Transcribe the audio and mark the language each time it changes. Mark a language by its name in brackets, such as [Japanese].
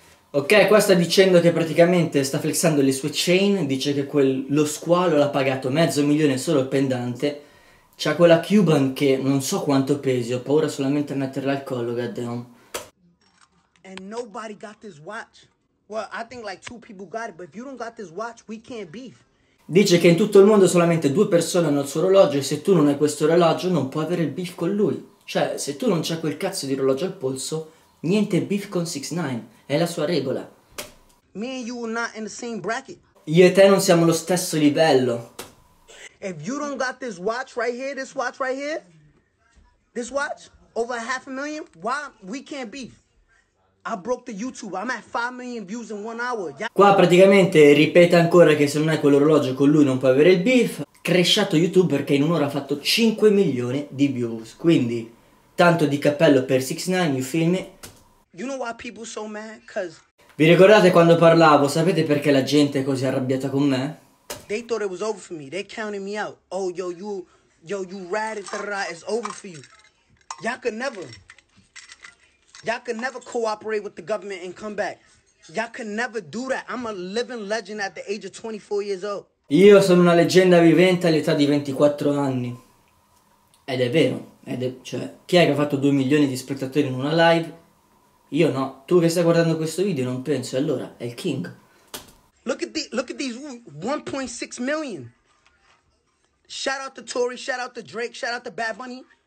[Italian] Ok, qua sta dicendo che praticamente sta flexando le sue chain, dice che lo squalo l'ha pagato 500,000 solo il pendante. C'ha quella Cuban che non so quanto pesi, ho paura solamente a metterla al collo, goddamn. [English] And nobody got this watch. Well, I think like two people got it, but if you don't got this watch, we can't beef. [Italian] Dice che in tutto il mondo solamente due persone hanno il suo orologio e se tu non hai questo orologio non puoi avere il beef con lui. Cioè, se tu non c'hai quel cazzo di orologio al polso, niente beef con 6ix9ine, è la sua regola. [English] Me and you not in the same bracket. [Italian] Io e te non siamo allo stesso livello. [English] If you don't got this watch right here, this watch right here, this watch, over $500,000, why we can't beef? I broke the YouTube, I'm at 5 million views in 1 hour. [Italian] Qua praticamente ripete ancora che se non hai quell'orologio con lui non puoi avere il beef. Cresciato YouTube perché in un'ora ha fatto 5 milioni di views. Quindi, tanto di cappello per 6ix9ine, [English] you feel me? You know why people so mad? Cause [Italian] vi ricordate quando parlavo? Sapete perché la gente è così arrabbiata con me? [English] They thought it was over for me, they counted me out. Oh, yo, you rat, it's over for you. Y'all could never. Y'all could never cooperate with the government and come back. Y'all could never do that. I'm a living legend at the age of 24 years old. [Italian] Io sono una leggenda vivente all'età di 24 anni. Ed è vero. Cioè, chi è che ha fatto 2 milioni di spettatori in una live? Io no. Tu che stai guardando questo video non penso. Allora, è il king. [English] Look at these 1.6 million. Shout out to Tory, shout out to Drake, shout out to Bad Bunny.